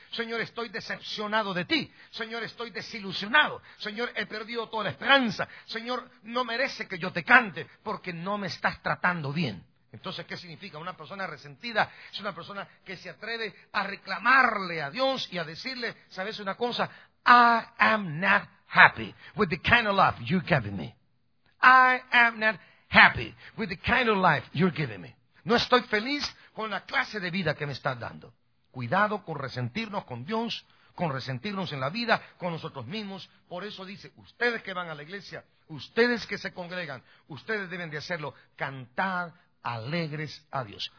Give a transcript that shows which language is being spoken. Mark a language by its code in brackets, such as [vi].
[es] Señor, estoy decepcionado de ti. Señor, estoy desilusionado. Señor, he perdido toda la esperanza. Señor, no merece que yo te cante porque no me estás tratando bien. Entonces, ¿qué significa? Una persona resentida es una persona que se atreve a reclamarle a Dios y a decirle, ¿sabes una cosa? [en] I am not happy with the kind of life you're giving me. I am not happy with the kind of life you're giving me. [es] No estoy feliz con la clase de vida que me estás dando. Cuidado con resentirnos con Dios, con resentirnos en la vida, con nosotros mismos. Por eso dice, ustedes que van a la iglesia, ustedes que se congregan, ustedes deben de hacerlo, cantar alegres a Dios.